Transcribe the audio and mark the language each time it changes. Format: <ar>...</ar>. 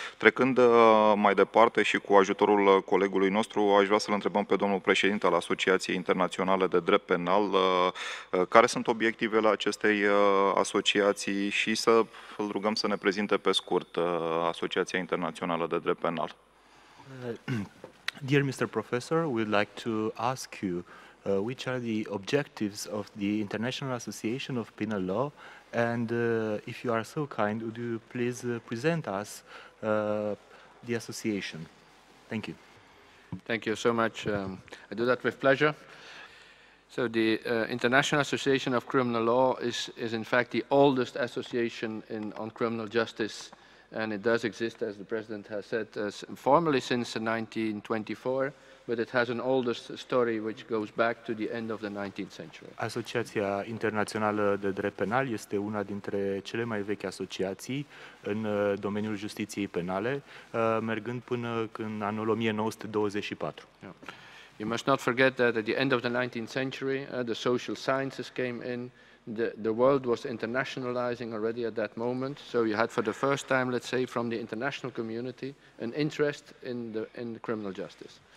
<ro>Trecând mai departe și cu ajutorul colegului nostru, aș vrea să-l întrebăm pe domnul președinte al Asociației Internaționale de Drept Penal care sunt obiectivele acestei asociații și să îl rugăm să ne prezinte pe scurt Asociația Internațională de Drept Penal.</ro> <en>Dear Mr. Professor, we'd like to ask you which are the objectives of the International Association of Penal Law, and if you are so kind, would you please present us the association? Thank you. Thank you so much. I do that with pleasure. So the International Association of Criminal Law is in fact the oldest association on criminal justice. And it does exist, as the President has said, formally since 1924, but it has an older story which goes back to the end of the 19th century.</en> <ro>Asociația Internațională de Drept Penal este una dintre cele mai vechi asociații în domeniul justiției penale, mergând până în anul 1924.</ro> <en>Yeah. You must not forget that at the end of the 19th century, the social sciences came in. The world was internationalizing already at that moment, so you had for the first time, let's say, from the international community, an interest in the criminal justice.</en>